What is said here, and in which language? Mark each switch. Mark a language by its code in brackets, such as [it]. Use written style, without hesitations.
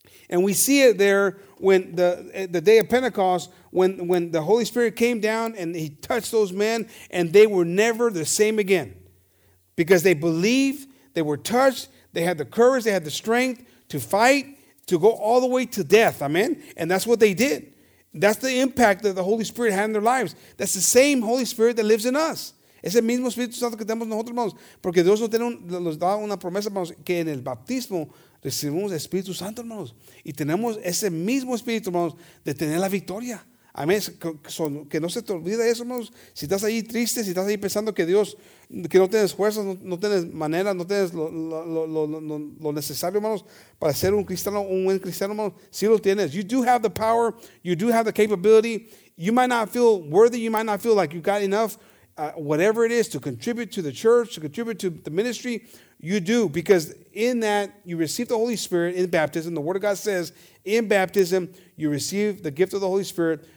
[en] And we see it there when the day of Pentecost, when the Holy Spirit came down and he touched those men, and they were never the same again. Because they believed, they were touched, they had the courage, they had the strength to fight, to go all the way to death. Amen? And that's what they did. That's the impact that the Holy Spirit had in their lives. That's the same Holy Spirit that lives in us. [es] Es el mismo Espíritu Santo que tenemos nosotros, hermanos. Porque Dios nos da una promesa, hermanos, que en el bautismo recibimos el Espíritu Santo, hermanos. Y tenemos ese mismo Espíritu, hermanos, de tener la victoria. Amén. Que no se te olvide eso, hermanos. Si estás ahí triste, si estás ahí pensando que Dios, que no tienes fuerzas, no tienes manera, no tienes lo necesario, hermanos, para ser un cristiano, un buen cristiano, hermanos, sí lo tienes. [en] You do have the power. You do have the capability. You might not feel worthy. You might not feel like you've got enough. Whatever it is to contribute to the church, to contribute to the ministry, you do, because in that you receive the Holy Spirit in baptism. The Word of God says in baptism you receive the gift of the Holy Spirit.